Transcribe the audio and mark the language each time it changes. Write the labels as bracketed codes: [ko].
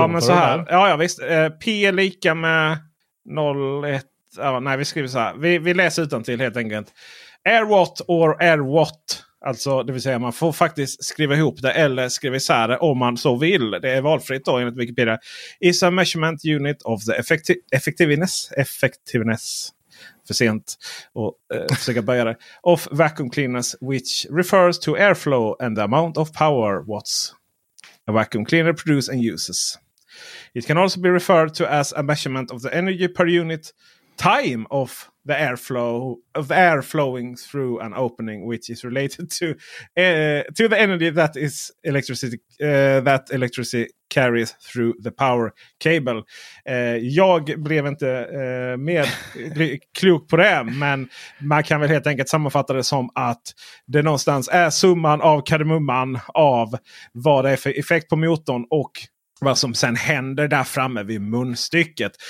[sv] Ja, men så här. Ja, visst. P är lika med 0,1. Ja, nej, vi skriver så här. Vi läser utantill helt enkelt. Airwatt or airwatt. Alltså, det vill säga man får faktiskt skriva ihop det eller skriva isär det om man så vill. Det är valfritt då enligt Wikipedia. [en] Is a measurement unit of the effectiveness. [sv] För sent och försöka börja det. [en] Of vacuum cleaners which refers to airflow and the amount of power watts a vacuum cleaner produces and uses. It can also be referred to as a measurement of the energy per unit time of the airflow of air flowing through an opening, which is related to the energy that is electricity that electricity carries through the power cable. [sv] Jag blev inte mer klok på det, men man kan väl helt enkelt sammanfatta det som att det någonstans är summan av kardemumman av vad det är för effekt på motorn och vad som sen händer där framme vid munstycket.